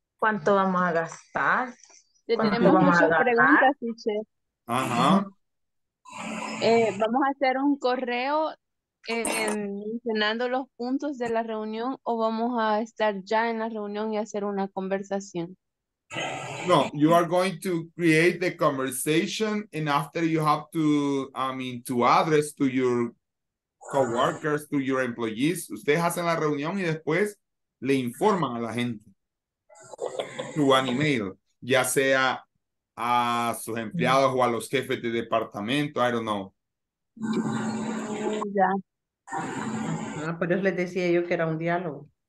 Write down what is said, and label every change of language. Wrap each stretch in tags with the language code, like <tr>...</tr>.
<es>¿Cuánto vamos a gastar? Tenemos muchas preguntas, Fiche. Ajá. ¿Vamos a hacer un correo mencionando los puntos de la reunión o vamos a estar ya en la reunión y hacer una conversación?</es> <en>No, you are going to create the conversation and after you have to, I mean, to address to your coworkers, to your employees.</en> <es>Ustedes hacen la reunión y después le informan a la gente</es> <en>through an email.</en> <es>Ya sea a sus empleados o a los jefes de departamento,</es> <en>I don't know.</en> <es>Ya. Ah, por eso les decía yo que era un diálogo.</es>